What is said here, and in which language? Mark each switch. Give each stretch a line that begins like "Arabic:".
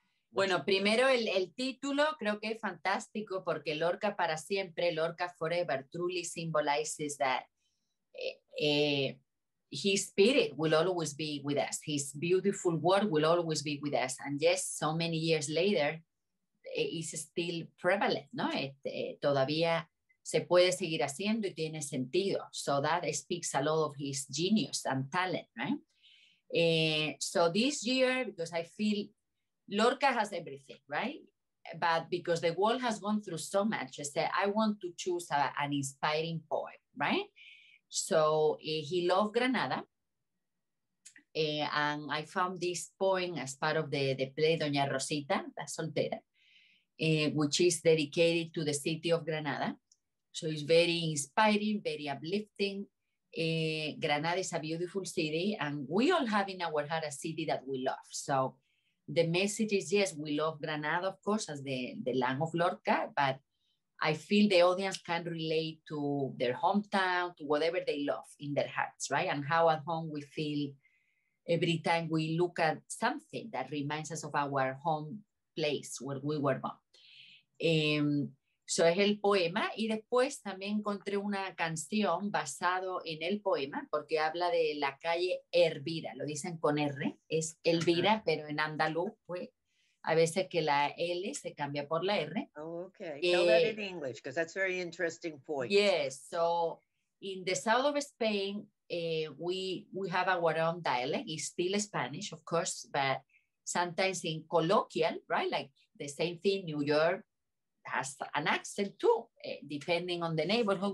Spanish: Bueno, primero el título creo que es fantástico porque Lorca para siempre, Lorca Forever,
English: truly symbolizes that. His spirit will always be with us. His beautiful word will always be with us. And yes, so many years later, it's still prevalent, ¿no?
Spanish: Todavía se puede seguir haciendo y tiene sentido.
English: So that speaks a lot of his genius and talent, right? So this year, because I feel Lorca has everything, right? But because the world has gone through so much, I said, I want to choose an inspiring poem, right? So he loved Granada, And I found this poem as part of the play Doña Rosita, La Soltera, which is dedicated to the city of Granada. So it's very inspiring, very uplifting. Granada is a beautiful city, and we all have in our heart a city that we love. So the message is, yes, we love Granada, of course, as the land of Lorca, but I feel the audience can relate to their hometown, to whatever they love in their hearts, right? And how at home we feel every time we look at something that reminds us of our home place where we were born.
Spanish: So es el poema, y después también encontré una canción basado en el poema, porque habla de la calle Hervira, lo dicen con R, es Elvira, pero en andaluz, pues, a veces que la L se cambia por la R.
English: Okay, tell that in English, because that's a very interesting point. Yes, so in the south of Spain, we have our own dialect, it's still Spanish, of course, but sometimes in colloquial, right, like the same thing, New York, has an accent too, depending on the neighborhood.